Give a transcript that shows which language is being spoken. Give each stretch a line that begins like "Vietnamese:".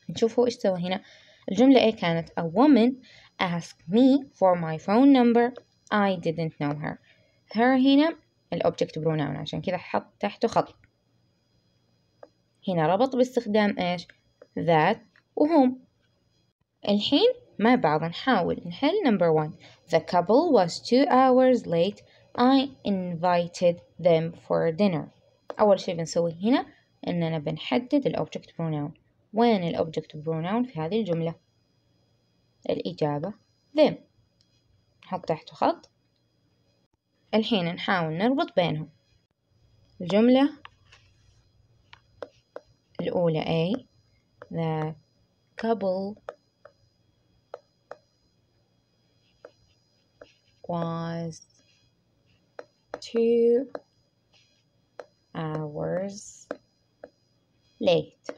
Arabic: نشوفه إيش سوى هنا. الجملة A كانت
English: a woman asked me for my phone number I didn't know her.
Arabic: her هنا الأوبجكت بروناون عشان كذا حط تحته خط. هنا ربط باستخدام إيش؟ that وهم. الحين مع بعض نحاول نحل
English: number one. the couple was 2 hours late I invited them for dinner.
Arabic: أول شيء بنسوي هنا إننا بنحدد الأوبجكت بروناون. وين الأوبجكت بروناون في هذه الجملة؟ الإجابة them. نحط تحته خط. الحين نحاول نربط بينهم. الجملة الأولى
English: A the couple was 2 hours late.